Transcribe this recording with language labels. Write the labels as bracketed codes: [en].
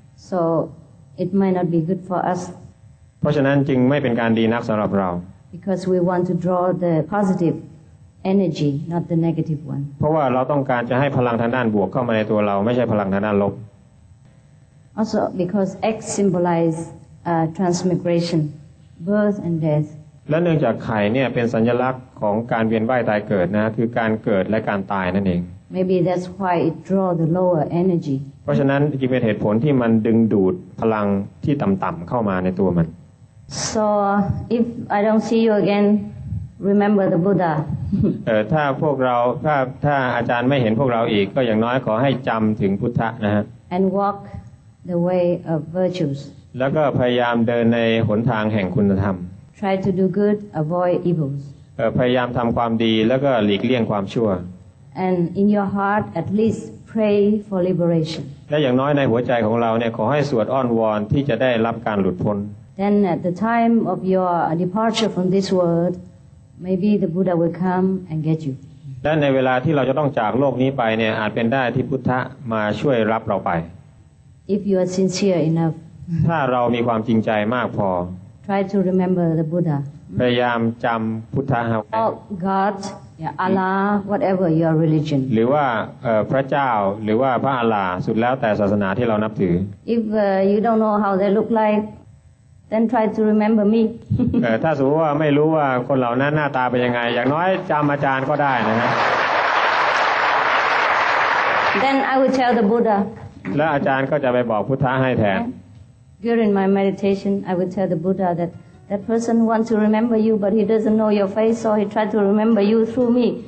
[en] So it might not be good for us. [th] เพราะฉะนั้นจึงไม่เป็นการดีนักสำหรับเรา [en] Because we want to draw the positive energy, not the negative one. [th] เพราะว่าเราต้องการจะให้พลังทางด้านบวกเข้ามาในตัวเราไม่ใช่พลังทางด้านลบ [en] Also because eggs symbolize transmigration, birth and death. [th] และเนื่องจากไข่เนี่ยเป็นสัญลักษณ์ของการเวียนว่ายตายเกิดนะคือการเกิดและการตายนั่นเอง [en] Maybe that's why it draws the lower energy. [th] เพราะฉะนั้นจึงเป็นเหตุผลที่มันดึงดูดพลังที่ต่ำๆเข้ามาในตัวมัน [en] So if I don't see you again, remember the Buddha. [th] ถ้าพวกเราถ้าอาจารย์ไม่เห็นพวกเราอีกก็อย่างน้อยขอให้จำถึงพุทธะนะฮะ [en] And walk. The way of virtues. [th] แล้วก็พยายามเดินในหนทางแห่งคุณธรรม [en] Try to do good, avoid evils. [th] พยายามทำความดีแล้วก็หลีกเลี่ยงความชั่ว [en] And in your heart, at least pray for liberation. [th] และอย่างน้อยในหัวใจของเราเนี่ยขอให้สวดอ้อนวอนที่จะได้รับการหลุดพ้น [en] Then at the time of your departure from this world, maybe the Buddha will come and get you. [th] และในเวลาที่เราจะต้องจากโลกนี้ไปเนี่ยอาจเป็นได้ที่พุทธะมาช่วยรับเราไป [en] If you are sincere enough, [th] ถ้าเรามีความจริงใจมากพอ [en] try to remember the Buddha. [th] พยายามจำพุทธะเอา [en] God, Allah, whatever your religion. [th] หรือว่าพระเจ้าหรือว่าพระอัลลาห์สุดแล้วแต่ศาสนาที่เรานับถือ [en] If you don't know how they look like, then try to remember me. [th] ถ้าสมมติว่าไม่รู้ว่าคนเหล่านั้นหน้าตาเป็นยังไงอย่างน้อยจำอาจารย์ก็ได้นะฮะ [en] Then I will tell the Buddha. [th] และอาจารย์ก็จะไปบอกพุทธะให้แทน [en] During my meditation, I will tell the Buddha that. That person wants to remember you, but he doesn't know your face, so he tried to remember you through me.